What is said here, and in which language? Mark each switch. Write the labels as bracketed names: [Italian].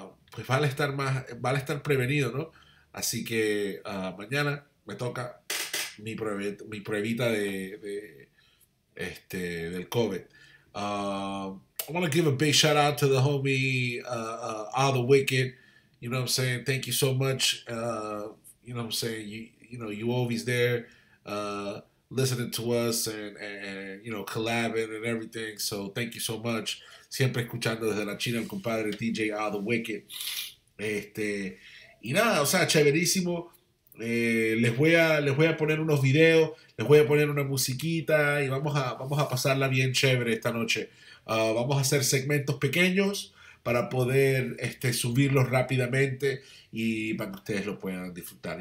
[Spanish] Pues vale estar prevenido, ¿no? Así que mañana me toca mi pruebita del COVID. [English] I want to give a big shout out to the homie, All the Wicked. You know what I'm saying? Thank you so much. You know what I'm saying? You always there, listening to us and collabing and everything. So thank you so much. [Spanish] Siempre escuchando desde la China el compadre DJ All the Wicked. Y nada, o sea, chéverísimo. Les voy a poner unos videos, les voy a poner una musiquita y vamos a pasarla bien chévere esta noche. Vamos a hacer segmentos pequeños para poder subirlos rápidamente y para que ustedes lo puedan disfrutar.